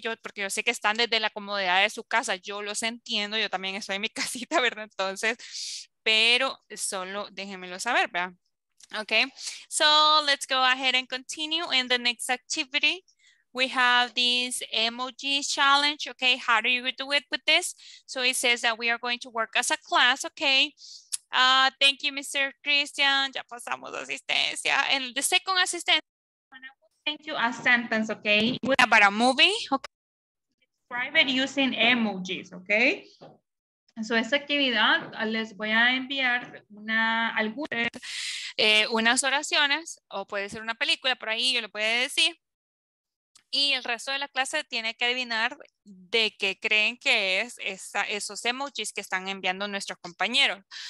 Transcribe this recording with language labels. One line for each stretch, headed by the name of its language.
Spanish: Yo, porque yo sé que están desde la comodidad de su casa, yo los entiendo, yo también estoy en mi casita, ¿verdad? Entonces, pero solo déjenmelo saber, ¿verdad?
English: Okay, so let's go ahead and continue in the next activity. We have this emoji challenge. Okay, how do you do it with this? So it says that we are going to work as a class. Okay, thank you, Mr. Christian.
Spanish: Ya pasamos asistencia.
English: And the second assistant, when I will send you a sentence, okay, about a movie, okay, describe it using emojis, okay.
Spanish: So, esta actividad les voy a enviar unas oraciones o puede ser una película, por ahí yo lo puedo decir. Y el resto de la clase tiene que adivinar de qué creen que es esos emojis que están enviando nuestros compañeros.